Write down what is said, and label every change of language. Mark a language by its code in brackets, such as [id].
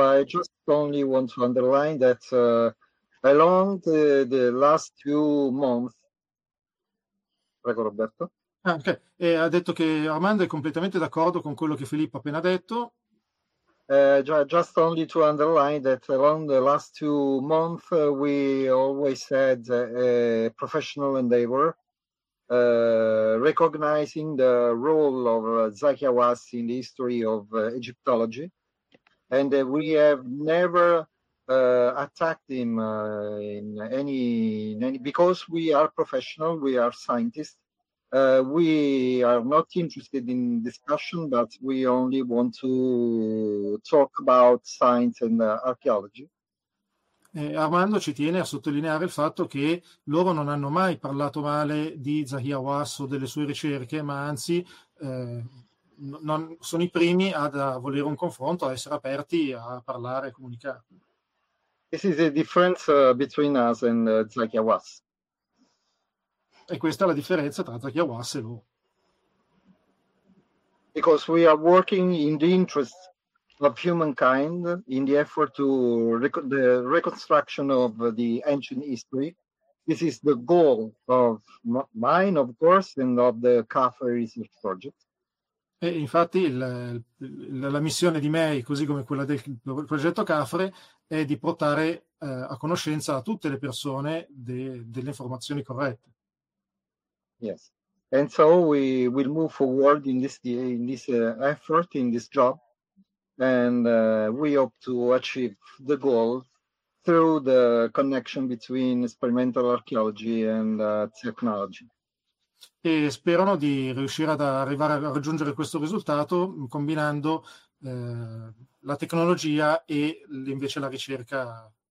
[en] I just only want to underline that along the last 2 months. [it] Prego, Roberto. Ah, ok, e ha detto che Armando è completamente d'accordo con quello che Filippo ha appena detto. [en] Just only to underline that along the last 2 months, we always had a professional endeavor. recognizing the role of Zaki Hawass in the history of Egyptology. And we have never attacked him in any, because we are professional, we are scientists. We are not interested in discussion, but we only want to talk about science and archaeology. [it] Armando ci tiene a sottolineare il fatto che loro non hanno mai parlato male di Zaki Hawass o delle sue ricerche, ma anzi non sono i primi ad, a volere un confronto, a essere aperti a parlare e comunicare. [en] This is the difference between us and Zaki Hawass. [it] E questa è la differenza tra Zaki Hawass e loro. [en] Because we are working in the interest of humankind in the effort to the reconstruction of the ancient history. This is the goal of mine, of course, and of the CAFA research project. [it] E infatti la missione di MEI, così come quella del progetto CAFRE, è di portare a conoscenza a tutte le persone delle informazioni corrette. [en] Yes. And so we will move forward in this effort, in this job, and we hope to achieve the goal through the connection between experimental archaeology and technology. [it] E sperano di riuscire ad arrivare a raggiungere questo risultato combinando la tecnologia e invece la ricerca.